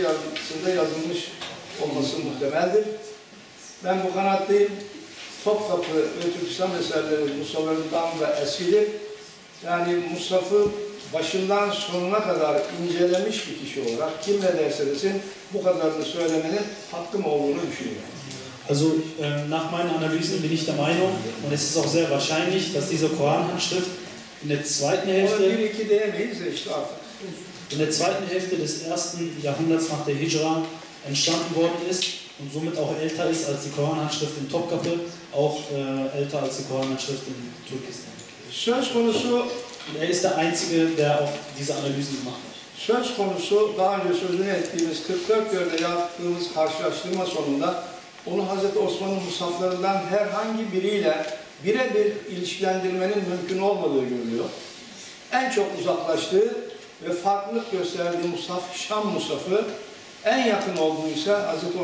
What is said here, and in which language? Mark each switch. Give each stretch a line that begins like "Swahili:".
Turkish: yarısında yazılmış olması muhtemeldir. Ben bu kanaatteyim. Topkapı ve Türkistan eserleri Musaf'ından da eskidir. Yani Musaf'ı başından sonuna kadar incelemiş bir kişi olarak kim ne derse desin bu kadarını söylemenin hakkım olduğunu düşünüyorum.
German: Also nach meinen Analysen bin ich der Meinung und es ist auch sehr wahrscheinlich, dass diese Koranhandschrift in der zweiten Hälfte des ersten Jahrhunderts nach der Hijra entstanden worden ist und somit auch älter ist als die Koranhandschrift in Topkapı, auch älter als die Koranhandschrift in Türkistan.
Turkish: Söz konusu,
German: und er ist der Einzige, der auch diese Analysen gemacht hat.
Turkish: Söz konusu, daha önce sözünü ettiğimiz 44 yönde yaptığımız karşılaştırma sonunda, onu Hz. Osman'ın musaflarından herhangi biriyle birebir ilişkilendirmenin mümkün olmadığı görülüyor. En çok uzaklaştığı ve farklılık gösterdiği musaf, Şam musafı, en yakın olduğu ise Hz.